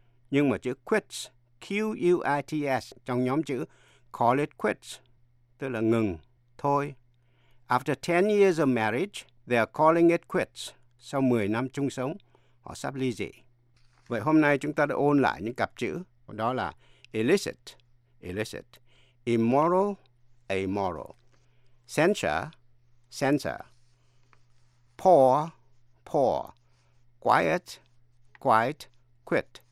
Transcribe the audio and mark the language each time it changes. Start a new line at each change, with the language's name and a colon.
Vietnamese: Nhưng mà chữ quits, Q-U-I-T-S, trong nhóm chữ call it quits, tức là ngừng, thôi.
English: After 10 years of marriage, they are calling it quits.
Vietnamese: Sau 10 năm chung sống, họ sắp ly dị. Vậy hôm nay chúng ta đã ôn lại những cặp chữ, đó là illicit, illicit, immoral, amoral, censure, censor, poor, poor, quiet, quiet, quit.